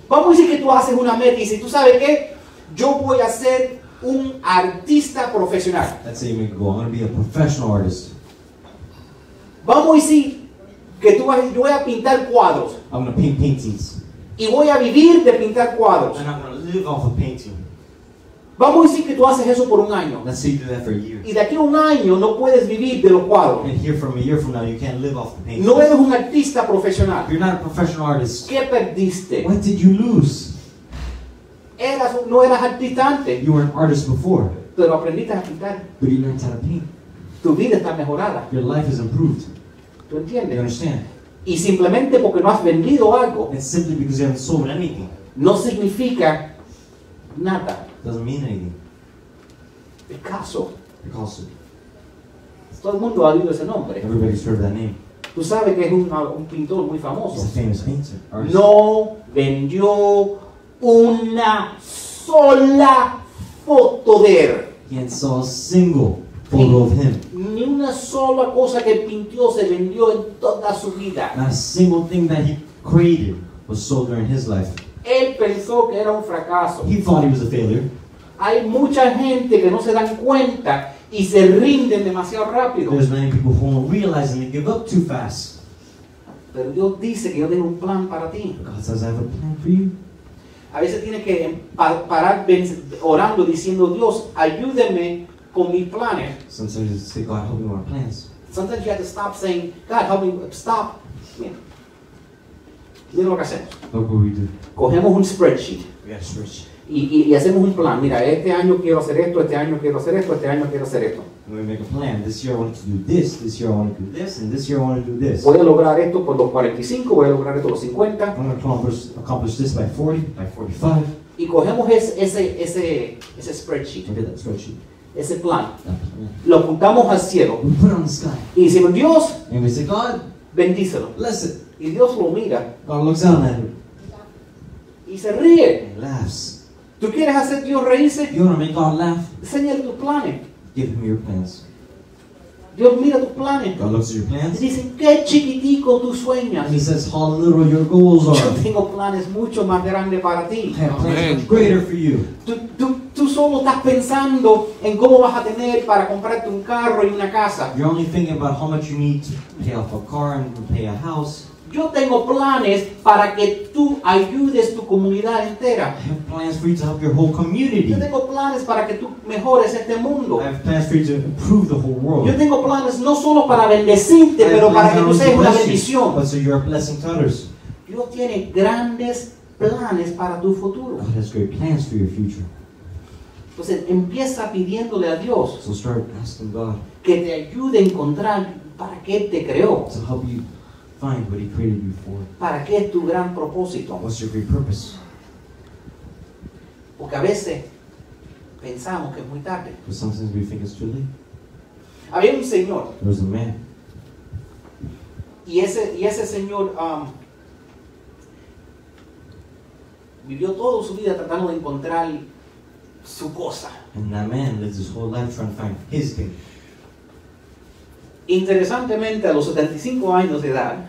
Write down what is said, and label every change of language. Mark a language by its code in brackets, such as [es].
[es] Vamos a decir que tú haces una meta y dices, ¿tú sabes qué? Yo voy a ser un artista profesional. [en] Let's say you make a goal. I'm going to be a professional artist. [es] Vamos a decir que tú vas, yo voy a pintar cuadros. [en] I'm going to paint paintings. [es] Y voy a vivir de pintar cuadros. [en] And I'm going to live off of painting. [es] Vamos a decir que tú haces eso por un año. [en] Let's say you do that for a year. [es] Y de aquí a un año no puedes vivir de los cuadros. [en] And here from a year from now you can't live off the painting. [es] No eres un artista profesional. [en] You're not a professional artist. [es] ¿Qué perdiste? [en] What did you lose? [es] No eras artista antes. [en] You were an artist before. [es] Pero aprendiste a pintar. [en] But you learned how to paint. [es] Tu vida está mejorada. [en] Your life is improved. [es] ¿Tú entiendes? [en] You understand. [es] Y simplemente porque no has vendido algo. [en] And simply because you haven't sold anything. [es] No significa nada. [en] Doesn't mean anything. [es] Picasso. [en] Picasso. [es] Todo el mundo ha oído ese nombre. [en] Everybody's heard that name. [es] Tú sabes que es un pintor muy famoso. [en] He's a famous painter. Artist. [es] No vendió una sola foto de él. [en] He hadn't sold a single photo of him. [es] Ni una sola cosa que pintó se vendió en toda su vida. [en] Not a single thing that he created. was sold during his life. [es] Él pensó que era un fracaso. [en] He thought he was a failure. [es] Hay mucha gente que no se dan cuenta y se rinden demasiado rápido. [en] There's many people who don't realize and they give up too fast. [es] Pero Dios dice que yo tengo un plan para ti. [en] God says I have a plan for you. [es] A veces tienes que parar orando diciendo Dios, ayúdeme con mi plan. [en] Sometimes you say God help me with my plans. Sometimes you have to stop saying God help me stop. [es] Mira lo que hacemos. [en] Look what we do. [es] Cogemos un spreadsheet. [en] Yeah, spreadsheet. [es] Y hacemos un plan. Mira, este año quiero hacer esto, este año quiero hacer esto, este año quiero hacer esto. [en] We make a plan. This year I want to do this. This year I want to do this. And this year I want to do this. [es] Voy a lograr esto por los 45. Voy a lograr esto por los 50. [en] I'm going to accomplish this by 40, by 45. [es] Y cogemos ese spreadsheet. [en] Look at that spreadsheet. [es] Ese plan. Lo apuntamos al cielo. [en] We put it on the sky. [es] Y decimos, Dios. [en] And we say, God. [es] Bendícelo. [en] Bless it. [es] Y Dios lo mira. [en] God looks down at him. [es] Y se ríe. [en] He laughs. [es] ¿Tú quieres hacer Dios reírse? [en] You want to make God laugh? [es] Señale tus planes. [en] Give him your plans. [es] Dios mira tus planes. [en] God looks at your plans. [es] Y dice, ¿qué chiquitico tú sueñas? [en] He says, how little your goals are. [es] Yo tengo planes mucho más grandes para ti. [en] I have plans greater for you. [es] Tú solo estás pensando en cómo vas a tener para comprarte un carro y una casa. [en] You're only thinking about how much you need to pay off a car and to pay a house. [es] Yo tengo planes para que tú ayudes tu comunidad entera. [en] I have plans for you to help your whole community. [es] Yo tengo planes para que tú mejores este mundo. [en] I have plans for you to improve the whole world. [es] Yo tengo planes no solo para bendecirte, pero para que tú seas una bendición. [en] But so you're a blessing to others. [es] Dios tiene grandes planes para tu futuro. [en] God has great plans for your future. [es] Entonces empieza pidiéndole a Dios. [en] So start asking God. [es] Que te ayude a encontrar para qué te creó. [en] To help you. Find what he created you for. [es] ¿Para qué es tu gran propósito? [en] What's your great purpose? [es] Porque a veces pensamos que es muy tarde. [en] But sometimes we think it's too late. [es] Había un señor. [en] There was a man. [es] Y ese señor vivió toda su vida tratando de encontrar su cosa. [en] And that man lived his whole life trying to find his thing. [es] Interesantemente, a los 75 años de edad,